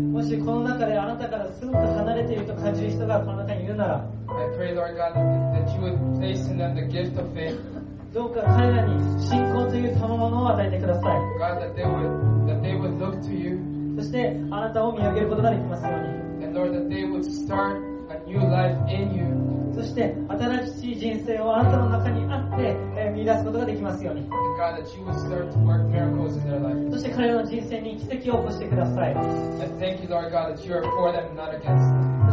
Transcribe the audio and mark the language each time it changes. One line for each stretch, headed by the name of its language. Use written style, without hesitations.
Japanese: もしこの中であなたからすごく離れていると感じる人がこの中にいるなら、
English: I pray, Lord God, that you would place in them the gift of faith.
Japanese: どうか彼らに信仰という賜物を与えてください。
English: God, that they would look to you.
Japanese: そしてあなたを見上げることができますように。
English: And Lord, that they would start a new life in you.
Japanese: そして新しい人生をあなたの中にあって見出すことができますように。
English: God, that you would start to work miracles in their life.
Japanese: そして彼らの人生に奇跡を起こしてください。
English: And thank you, Lord God, that you are for them, not against them.